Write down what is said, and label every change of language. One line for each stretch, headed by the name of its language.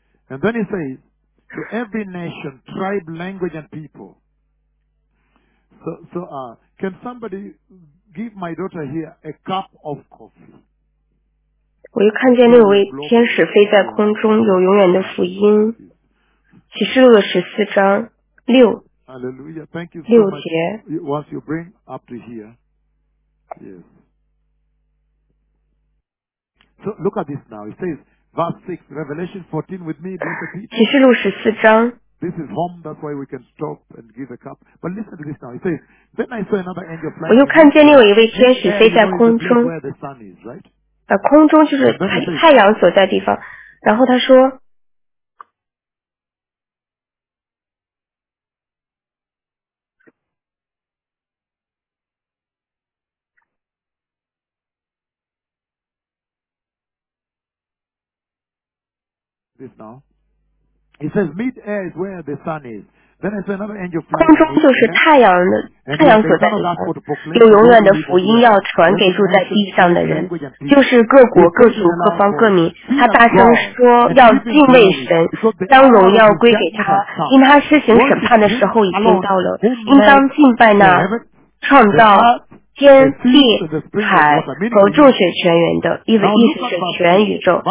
English: And then he says, to every nation, tribe, language, and people. So, can somebody give my daughter here a cup of coffee?
Chinese: 我又看见六位天使飞在空中，有永远的福音。启示录的十四章六。
English: Hallelujah! Thank you.
Chinese: 六节。
English: Once you bring up to here, yes. So look at this now. It says, verse 6, Revelation 14 with me, these are people.
Chinese: 启示录十四章。
English: This is home, that's why we can stop and give a cup. But listen to this now. It says, then I saw another angel flying.
Chinese: 我又看见另外一位天使飞在空中。
English: Where the sun is, right?
Chinese: 空中就是太阳所在地方。然后他说。
English: This now. He says, mid air is where the sun is. Then I saw another angel flying.
Chinese: 空中就是太阳所在地，有永远的福音要传给住在地上的人，就是各国、各族、各方、各民。他大声说，要敬畏神，将荣耀归给他，因他施行审判的时候已经到了，应当敬拜那创造天地海和众水泉源的，意思是全宇宙。